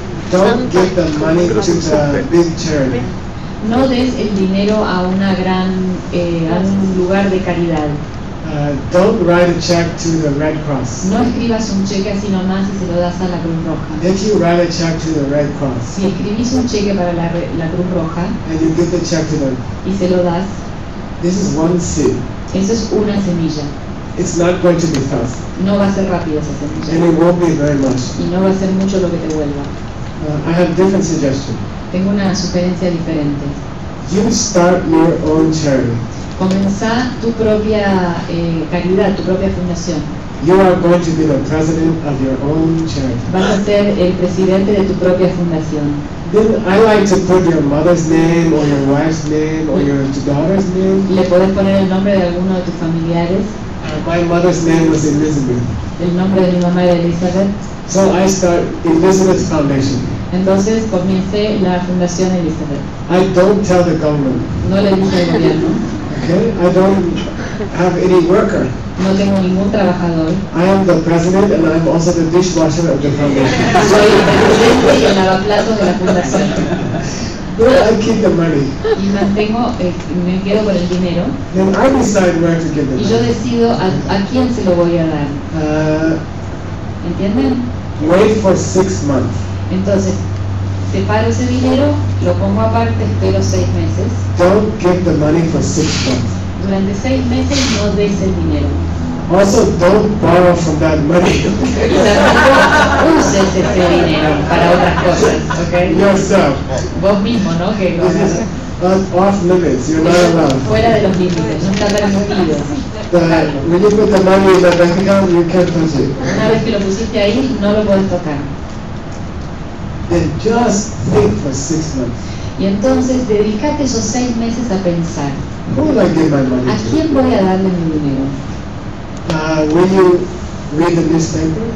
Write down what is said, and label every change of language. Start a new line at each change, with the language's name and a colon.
English: Don't give the money to the big charity.
Spanish: No des el dinero a una gran a un lugar de caridad.
English: Don't write a check to the Red Cross.
Spanish: No escribas un cheque así nomás y se lo das a la Cruz Roja.
English: If you write a check to the Red Cross.
Spanish: Si escribís un cheque para la Cruz Roja.
English: And you give the check to them.
Spanish: Y se lo das.
English: This is one seed.
Spanish: Eso es una semilla.
English: It's not going to be fast.
Spanish: No va a ser rápido esa semilla.
English: And it won't be very much.
Spanish: Y no va a ser mucho lo que te vuelva.
English: I have different suggestion.
Spanish: Tengo una sugerencia diferente.
English: You start your own charity.
Spanish: Comienza tu propia caridad, tu propia fundación.
English: You are going to be the president of your own charity.
Spanish: Vas a ser el presidente de tu propia fundación.
English: Then I like to put your mother's name or your wife's name or your daughter's name.
Spanish: ¿Le puedes poner el nombre de alguno de tus familiares?
English: My mother's name was Elizabeth.
Spanish: El nombre de mi mamá era Elizabeth.
English: So I start Elizabeth Foundation.
Spanish: Entonces comencé la fundación Elizabeth.
English: I don't tell the government.
Spanish: No le dije al gobierno.
English: Okay, I don't have any worker.
Spanish: No tengo ningún trabajador.
English: I am the president and I am also the dishwasher of the foundation.
Spanish: Soy el presidente y el lavaplatos de la fundación.
English: Where I keep the money.
Spanish: Y mantengo, me quedo con el dinero.
English: Then I decide where to give the money.
Spanish: Y yo decido a quién se lo voy a dar. ¿Entienden?
English: Wait for 6 months.
Spanish: Entonces, separo ese dinero, lo pongo aparte, espero 6 meses.
English: Don't give the money for 6 months.
Spanish: Durante 6 meses no des el dinero.
English: Also, don't borrow from that money.
Spanish: Uses ese dinero para otras cosas, okay?
English: Yourself.
Spanish: Vos mismo, ¿no? Que
English: but off limits, you're not allowed.
Spanish: Fuera de los límites, no está permitido.
English: When you put the money in the bank account, you can't touch it.
Spanish: Una vez que lo pusiste ahí, no lo puedes tocar.
English: Then just think for 6 months.
Spanish: Y entonces, dedícate esos 6 meses a pensar.
English: Who will I give my money to?
Spanish: ¿A quién voy a darle mi dinero?
English: When you read the newspaper,